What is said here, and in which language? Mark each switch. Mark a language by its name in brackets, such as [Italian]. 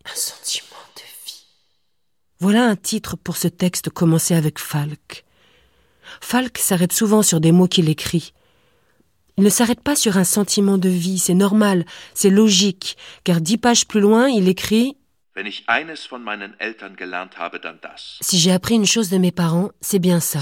[French] Un sentiment de vie. Voilà un titre pour ce texte commencé avec Falk. Falk s'arrête souvent sur des mots qu'il écrit. Il ne s'arrête pas sur un sentiment de vie, c'est normal, c'est logique, car 10 pages plus loin, il écrit [German] « Wenn ich eines von meinen Eltern gelernt habe, dann das. [French] Si j'ai appris une chose de mes parents, c'est bien ça.